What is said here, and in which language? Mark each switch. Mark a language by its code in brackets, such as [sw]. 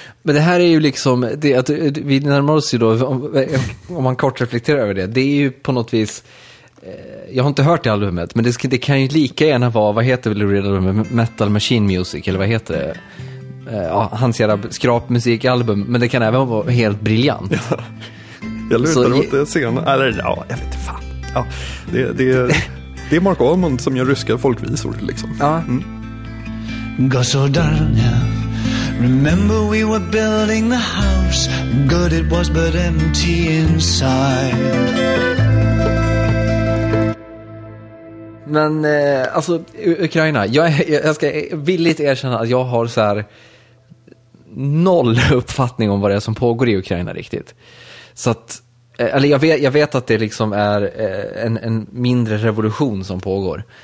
[sv] Men det här är ju liksom, det att vi närmar oss ju då, om man kort reflekterar över det, det är ju på något vis, jag har inte hört det albumet, men det kan ju lika gärna vara, vad heter Lou Reed albumet, Metal Machine Music, eller vad heter det? Ja, hans jävla skrapmusikalbum, men det kan även vara helt briljant. Jag lutar mot det senare, eller ja, jag vet inte fan. Ja, det är Mark Almond som gör ryska folkvisor liksom. Ja. Mm. [en] Gosodarnia, remember we were building the house, good it was but empty inside. [sv] Men alltså Ukraina, jag ska villigt erkänna att jag har så här noll uppfattning om vad det är som pågår i Ukraina riktigt. Så att eller jag vet att det liksom är en mindre revolution som pågår.